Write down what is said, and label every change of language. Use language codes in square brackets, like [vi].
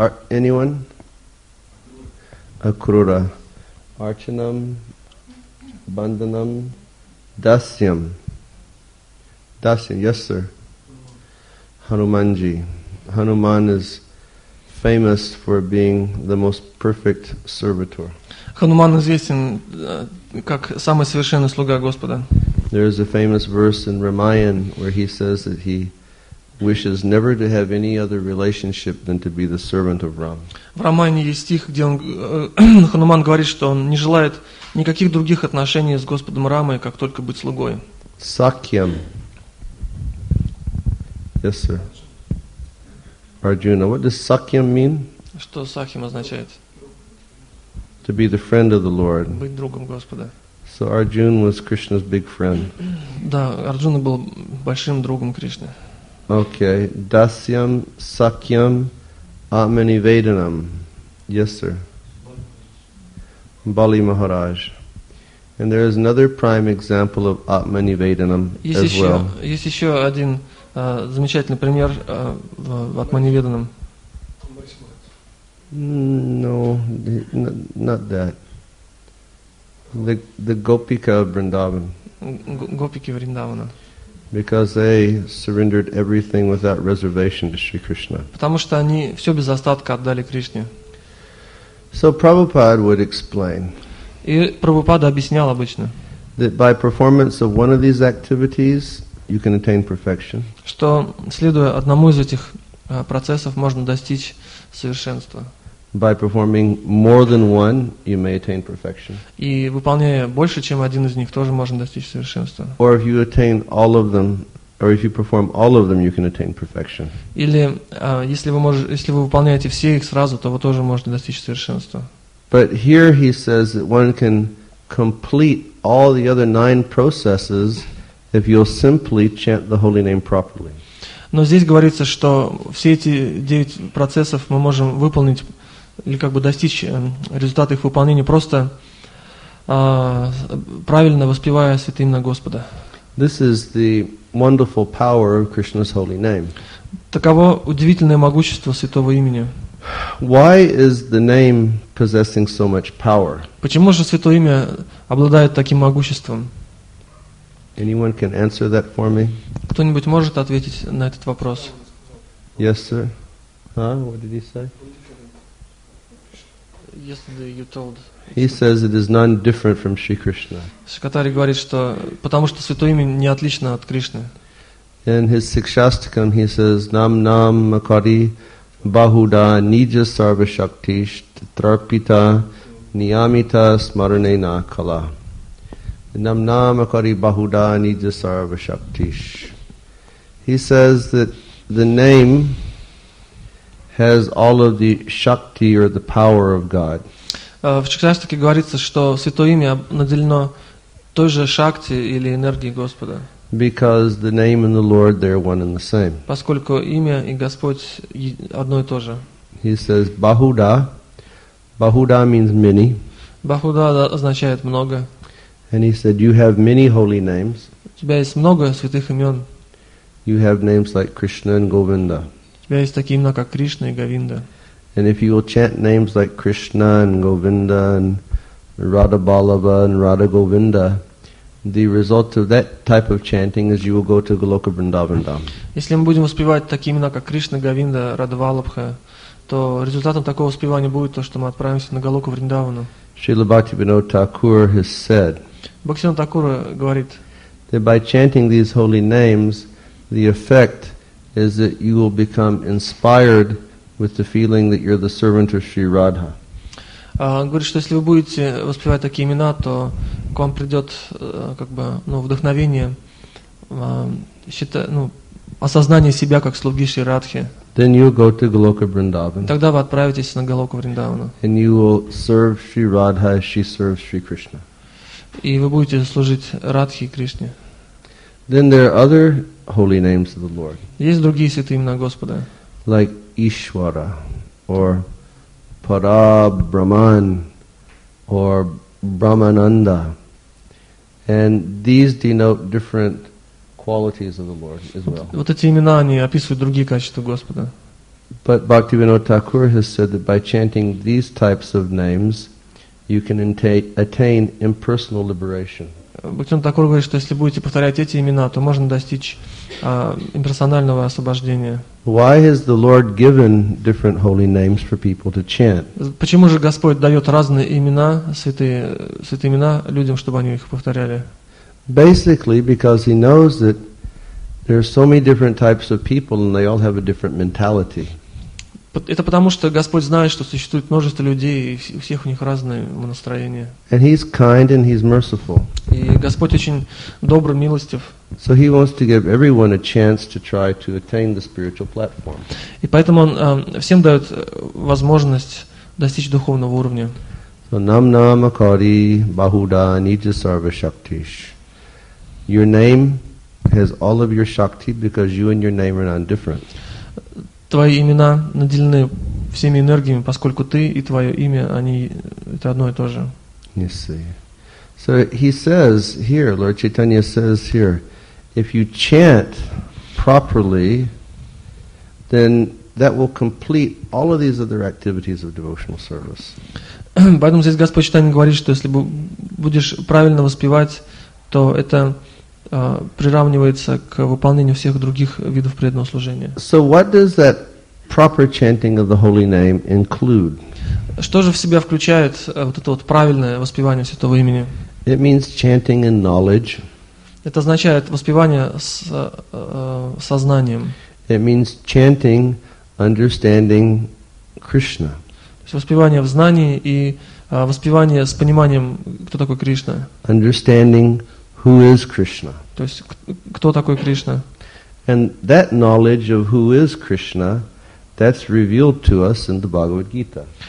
[en] Anyone? Akrura, Archanam, Bandhanam, Dasyam. Dasyam, yes sir. Hanumanji. Hanuman is famous for being the most perfect servitor. [ru] Хануман известен как самый совершенный слуга Господа. [en] There is a famous verse in Ramayana where he says that he wishes never to have any other relationship than to be the servant of Ram. [ru] В Рамаяне есть стих, где он Хануман говорит, что он не желает никаких других отношений с Господом Рамой, как только быть слугой. Сакьям. [en] Yes, sir. Arjuna, what does Sakyam mean? [ru] Что Сакьям означает? [en] To be the friend of the Lord. [ru] Быть другом Господа. [en] So Arjuna was Krishna's big friend. [ru] Да, Арджуна был большим другом Кришны. [en] Okay, Dasyam, Sakyam, Amani Vedanam. Yes, sir. Bali Maharaj. And there is another prime example of Atmani Vedanam as well. [ru] Есть еще один замечательный пример в Атмани Веданам. [en] No, not that. The Gopika of Vrindavan. Gopiki Vrindavana. Because they surrendered everything without reservation to Sri Krishna. [ru] Потому что они все без остатка отдали Кришне. [en] So Prabhupada would explain. [ru] И Прабхупада объяснял обычно. [en] That by performance of one of these activities, you can attain perfection. [ru] Что следуя одному из этих процессов, можно достичь совершенства. [en] By performing more than one, you may attain perfection. [ru] И выполняя больше, чем один из них, тоже можно достичь совершенства. [en] Or if you attain all of them, or if you perform all of them, you can attain perfection. [ru] Или если вы выполняете все их сразу, то вы тоже можете достичь совершенства. [en] But here he says that one can complete all the other nine processes if you'll simply chant the holy name properly. [ru] Но здесь говорится, что все эти девять процессов мы можем выполнить или как бы достичь результата их выполнения, просто правильно воспевая святое имя Господа. [en] This is the wonderful power of Krishna's holy name. [ru] Таково удивительное могущество святого имени. [en] Why is the name possessing so much power? [ru] Почему же святое имя обладает таким могуществом? [en] Anyone can answer that for me? [ru] Кто-нибудь может ответить на этот вопрос? [en] Yes, sir. Huh? What did he say? Yesterday you told. He says it is none different from Sri Krishna. [ru] Шикатари говорит, что потому что святое имя не отлично от Кришны. [en] In his Sikshastakam he says [sa] Nam Nam Makari Bahuda Nija Sarva Shaktish Trapita Niyamita Smarane Na Kala. Nam Nam Makari Bahuda Nija Sarva Shaktish. [en] He says that the name has all of the shakti or the power of God. [ru] В Чакраштаке говорится, что святое имя наделено той же шакти или энергией Господа. [en] Because the name and the Lord, they're one and the same. [ru] Поскольку имя и Господь одно и то же. [en] He says Bahuda. Bahuda means many. [ru] Bahuda означает много. [en] And he said, you have many holy names. [ru] У тебя есть много святых имен. [en] You have names like Krishna and Govinda. [ru] У тебя есть такие имена, как Кришна и Говинда. [en] And if you will chant names like Krishna and Govinda and Radha Balava and Radha Govinda, the result of that type of chanting is you will go to Goloka Vrindavan Dham. [ru] Если мы будем воспевать такие имена, как Кришна, Говинда, Радха Балабха, то результатом такого воспевания будет то, что мы отправимся на Голоку Вриндавану. [en] Srila Bhaktivinoda Thakur has said, [ru] Бхактивинода Такура говорит, [en] that by chanting these holy names, the effect is that you will become inspired with the feeling that you're the servant of Sri Radha. [ru] Говорит, что если вы будете воспевать такие имена, то к вам придет как бы, ну, вдохновение, считать, ну, осознание себя как слуги Шри Радхи. [en] Then you go to Goloka Vrindavan. [ru] Тогда вы отправитесь на Голоку Вриндавану. [en] And you will serve Sri Radha as she serves Sri Krishna. [ru] И вы будете служить Радхе и Кришне. [en] Then there are other holy names of the Lord. [ru] Есть другие святые имена Господа. [en] Like Ishwara, or Parabrahman, or Brahmananda. And these denote different qualities of the Lord as well. [ru] Вот эти имена, они описывают другие качества Господа. [en] But Bhaktivinoda Thakur has said that by chanting these types of names, you can attain impersonal liberation. [ru] Бхактивинода Такур говорит, что если будете повторять эти имена, то можно достичь имперсонального освобождения. [en] Why has the Lord given different holy names for people to chant? [ru] Почему же Господь дает разные имена, святые имена людям, чтобы они их повторяли? [en] Basically, because he knows that there are so many different types of people and they all have a different mentality. [ru] Это потому, что Господь знает, что существует множество людей, и у всех у них разное настроение. [en] And he's kind and he's merciful. [ru] И Господь очень добр, милостив. [en] So he wants to give everyone a chance to try to attain the spiritual platform. [ru] И поэтому он всем дает возможность достичь духовного уровня. [sa] So Нам-нам Акари Бахуда Нитя Сарва Шактиш. [en] Your name has all of your Shakti because you and your name are non-different. [ru] Твои имена наделены всеми энергиями, поскольку ты и твое имя, они это одно и то же. [en] Yes, see. So he says here, Lord Chaitanya says here, if you chant properly, then that will complete all of these other activities of devotional service. [ru] Поэтому здесь Господь Чайтанья говорит, что если будешь правильно воспевать, то это приравнивается к выполнению всех других видов преданного служения. [en] So what does that proper chanting of the holy name include? [ru] Что же в себя включает вот это вот правильное воспевание святого имени? [en] It means chanting in knowledge. [ru] Это означает воспевание с сознанием. [en] It means chanting, understanding Krishna. [ru] То есть воспевание в знании и воспевание с пониманием, кто такой Кришна. [en] Understanding who is Krishna. [ru] То есть, кто такой Кришна? [en] And that knowledge of who is Krishna, that's revealed to us in the Bhagavad Gita.